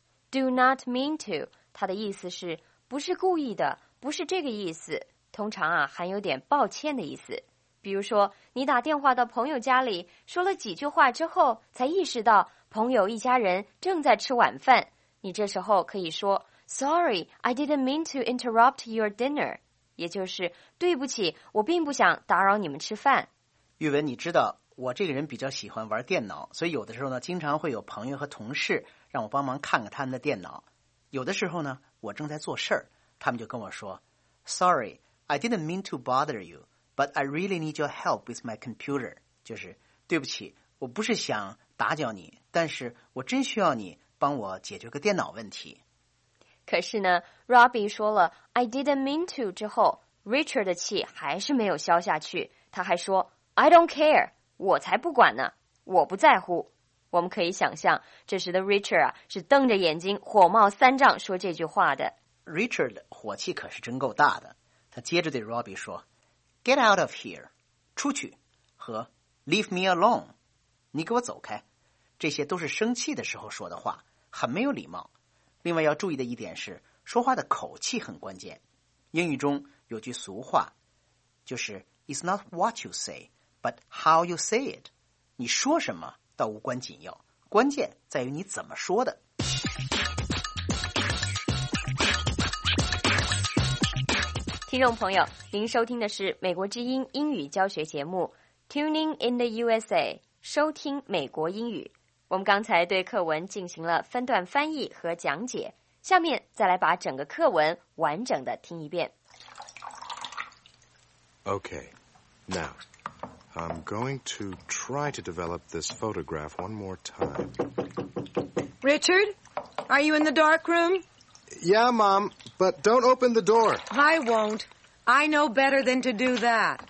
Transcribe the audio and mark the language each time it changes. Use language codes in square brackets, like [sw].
[en] Do not mean to. [zh] 它的意思是不是故意的，不是这个意思。通常啊含有点抱歉的意思。比如说你打电话到朋友家里说了几句话之后才意识到朋友一家人正在吃晚饭。你这时候可以说 [en] Sorry, I didn't mean to interrupt your dinner. [zh] 也就是对不起，我并不想打扰你们吃饭。玉文，你知道我这个人比较喜欢玩电脑，所以有的时候呢经常会有朋友和同事让我帮忙看看他们的电脑。有的时候呢我正在做事儿，他们就跟我说 [en] Sorry, I didn't mean to bother you, but I really need your help with my computer. [zh] 就是对不起，我不是想打搅你，但是我真需要你帮我解决个电脑问题。可是呢 ,Robbie 说了 [en] I didn't mean to [zh] 之后 ,Richard 的气还是没有消下去。他还说 [en] I don't care, [zh] 我才不管呢，我不在乎。我们可以想象这时的 Richard 啊是瞪着眼睛火冒三丈说这句话的。 Richard 火气可是真够大的。他接着对 Robbie 说 [en] Get out of here, [zh] 出去，和 [en] Leave me alone, [zh] 你给我走开。这些都是生气的时候说的话，很没有礼貌。另外要注意的一点是说话的口气很关键。英语中有句俗话就是 [en] It's not what you say, but how you say it. [zh] 你说什么倒无关紧要，关键在于你怎么说的。听众朋友，您收听的是美国之音英语教学节目 Tuning in the USA， 收听美国英语。我们刚才对课文进行了分段翻译和讲解，下面再来把整个课文完整的听一遍。 [en] Okay, now, I'm going to try to develop this photograph one more time. Richard, are you in the dark room? Yeah, Mom, but don't open the door. I won't. I know better than to do that.